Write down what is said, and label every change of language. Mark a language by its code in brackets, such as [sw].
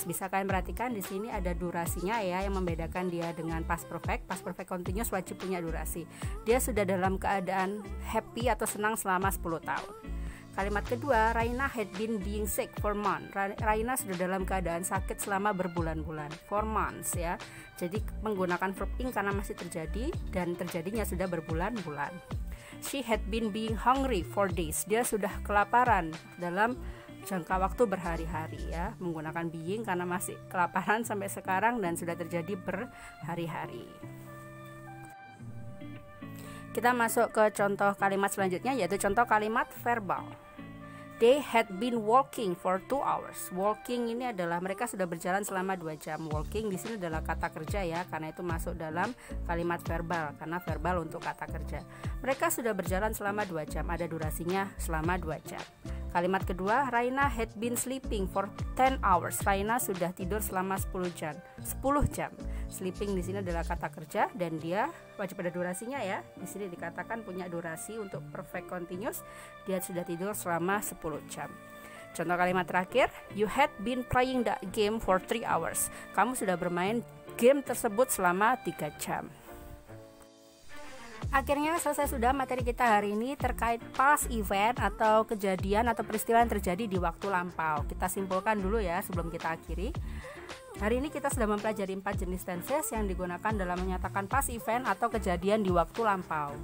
[id] Bisa kalian perhatikan di sini ada durasinya ya, yang membedakan dia dengan past perfect. Past perfect continuous wajib punya durasi. Dia sudah dalam keadaan happy atau senang selama 10 tahun. Kalimat kedua, [en] Raina had been being sick for months. [id] Raina sudah dalam keadaan sakit selama berbulan-bulan. [en] For months [id] ya. Jadi menggunakan verbing karena masih terjadi dan terjadinya sudah berbulan-bulan. [en] She had been being hungry for days. [id] Dia sudah kelaparan dalam jangka waktu berhari-hari ya. Menggunakan being karena masih kelaparan sampai sekarang dan sudah terjadi berhari-hari. Kita masuk ke contoh kalimat selanjutnya, yaitu contoh kalimat verbal. [en] They had been walking for 2 hours. [id] Walking ini adalah mereka sudah berjalan selama 2 jam. Walking di sini adalah kata kerja ya, karena itu masuk dalam kalimat verbal, karena verbal untuk kata kerja. Mereka sudah berjalan selama 2 jam, ada durasinya selama 2 jam. Kalimat kedua, [en] Raina had been sleeping for 10 hours. [id] Raina sudah tidur selama 10 jam. Sleeping di sini adalah kata kerja dan dia wajib ada durasinya ya. Di sini dikatakan punya durasi untuk perfect continuous. Dia sudah tidur selama 10 jam. Contoh kalimat terakhir, [en] you had been playing that game for 3 hours. [id] Kamu sudah bermain game tersebut selama 3 jam. Akhirnya selesai sudah materi kita hari ini terkait past event atau kejadian atau peristiwa yang terjadi di waktu lampau. Kita simpulkan dulu ya sebelum kita akhiri. Hari ini kita sudah mempelajari 4 jenis tenses yang digunakan dalam menyatakan past event atau kejadian di waktu lampau.